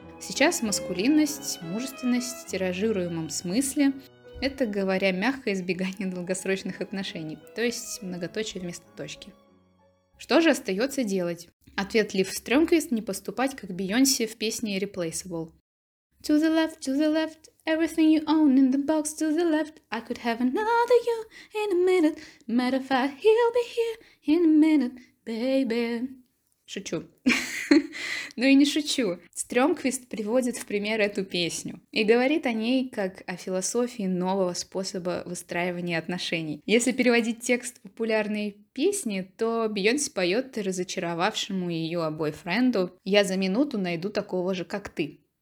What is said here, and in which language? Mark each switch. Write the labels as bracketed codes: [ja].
[ru] Сейчас маскулинность, мужественность в тиражируемом смысле – это, говоря мягко, избегание долгосрочных отношений, то есть многоточие вместо точки. Что же остается делать? Ответ Лив Стрёмквист – не поступать, как Бейонсе в песне «Replaceable». [en] To the left, everything you own in the box, to the left, I could have another you in a minute, matter of fact, he'll be here in a minute, baby. [ru] Шучу. Ну и не шучу. Стрёмквист приводит в пример эту песню и говорит о ней как о философии нового способа выстраивания отношений. Если переводить текст популярной песни, то Бейонсе поет разочаровавшему ее бойфренду «Я за минуту найду такого же, как ты».